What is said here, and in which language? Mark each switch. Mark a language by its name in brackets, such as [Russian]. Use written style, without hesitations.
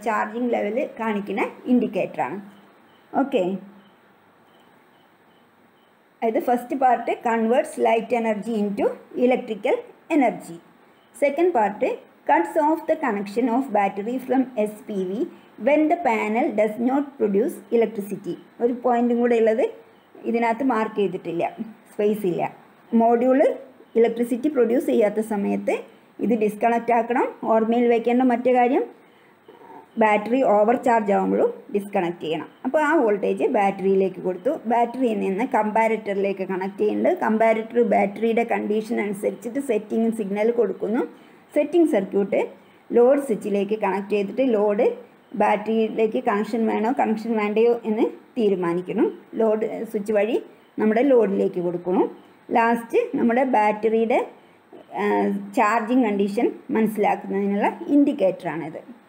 [Malayalam] Charging level കാണിക്കുന്ന ഇൻഡിക്കേറ്ററാണ്. Okay, അതായത് [English] First part converts light energy in to electrical energy. Second part cuts off the connection of battery from SPV when the panel does not produce electricity. [Malayalam] ഒരു പോയിന്റും കൂടെ ഉള്ളത് ഇതിനകത്ത് mark ചെയ്തിട്ടില്ല space ഇല്ല module electricity produce ചെയ്യാത്ത സമയത്ത് ഇത് ഡിസ്കണക്ട് ആക്കണം ഓർമ്മയിൽ വെക്കേണ്ട മറ്റു കാര്യം ബാറ്ററി ഓവർ ചാർജ് ആകുമ്പോഴും ഡിസ്കണക്ട് ചെയ്യണം അപ്പോൾ ആ വോൾട്ടേജ് ബാറ്ററിയിലേക്ക് കൊടുത്തു ബാറ്ററിയിൽ നിന്ന് കമ്പാരറ്ററിലേക്ക് കണക്ട് ചെയ്യുന്നുണ്ട് കമ്പാരറ്റർ ബാറ്ററിയുടെ കണ്ടീഷൻ അനുസരിച്ചിട്ട് സെറ്റിംഗ് സിഗ്നൽ കൊടുക്കുന്നു സെറ്റിംഗ് സർക്യൂട്ട് ലോഡ് സ്വിച്ചിലേക്ക് കണക്ട് ചെയ്തിട്ട് ലോഡ് ബാറ്ററിയിലേക്ക് കണക്ഷൻ വേണോ കണക്ഷൻ വേണ്ടയോ എന്ന് തീരുമാനിക്കുന്നു ലോഡ് സ്വിച്ച് വഴി നമ്മുടെ ലോഡിലേക്ക് കൊടുക്കുന്നു ലാസ്റ്റ് നമ്മുടെ ബാറ്ററിയുടെ ചാർജിങ് കണ്ടീഷൻ മനസ്സിലാക്കുന്നതിനുള്ള ഇൻഡിക്കേറ്ററാണിത്